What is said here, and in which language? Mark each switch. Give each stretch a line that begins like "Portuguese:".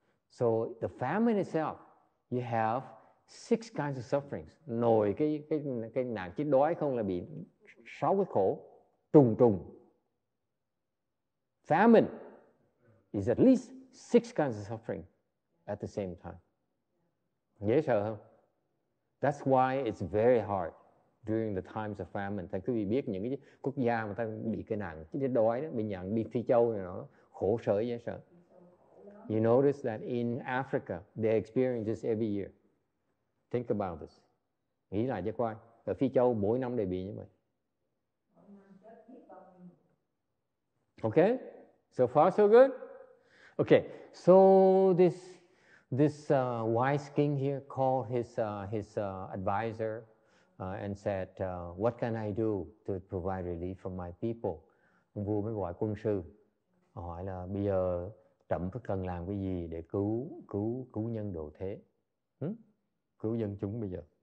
English: So the famine itself, you have six kinds of sufferings.
Vietnamese: Nổi cái nạn chết đói không là bị sáu cái khổ trùng trùng.
English: Famine is at least six kinds of suffering at the same time.
Vietnamese: Dễ sợ không?
English: That's why it's very hard during the times of famine.
Vietnamese: Thầy quý vị biết những cái quốc gia mà ta bị cái nạn chết đói đó, bị nhận đi Phi Châu này nó khổ sở dễ sợ.
English: You notice that in Africa, they experience this every year. Think about this.
Vietnamese: Nghĩ lại cho coi. Ở Phi Châu, mỗi năm đều bị như vậy.
English: Okay? So far, so good? Okay. So this wise king here called his advisor and said, what can I do to provide relief for my people?
Vietnamese: Vua mới gọi quân sư. Hỏi là bây giờ trẫm cần làm cái gì để cứu nhân độ thế, cứu dân chúng bây giờ.